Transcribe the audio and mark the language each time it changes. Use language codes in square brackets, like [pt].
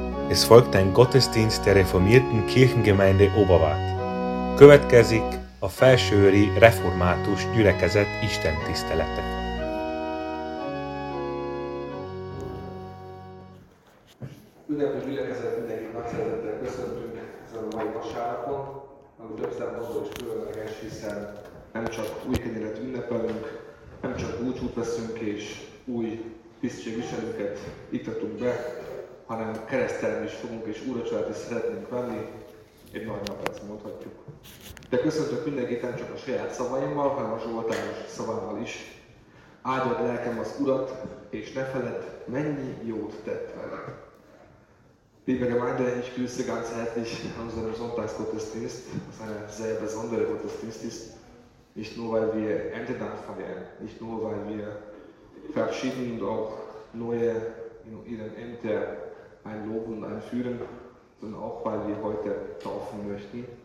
[de] Es folgt ein Gottesdienst der reformierten Kirchengemeinde Obavát. [hu] Következik a Felsőőri Református Gyülekezet istentisztelete. Ünnepi gyülekezet, mindenkit nagy szeretettel köszöntünk ezen a mai vasárnapon, ami több szempontból is különleges, hiszen nem csak új kenyeret ünnepelünk, nem csak búcsút veszünk és új tisztségviselőket iktatunk be, hanem keresztelni is fogunk és úracsát is szeretnénk venni, egy nagy nap ezt mondhatjuk. De köszöntök mindenkit nem csak a saját szavaimmal, hanem a zsoltáros szavával is. Áldott lelkem az Urat, és ne feledd, mennyi jót tett vele. [de] Liebe Gemeinde, ich grüße ganz herzlich an unserem Sonntagsgottesdienst, seine sehr besondere Gottesdienst ist. Nicht nur, weil wir Erntedank feiern, nicht nur, weil wir verschiedene und auch neue in ihren Ämter einloben und einführen, sondern auch, weil wir heute taufen möchten.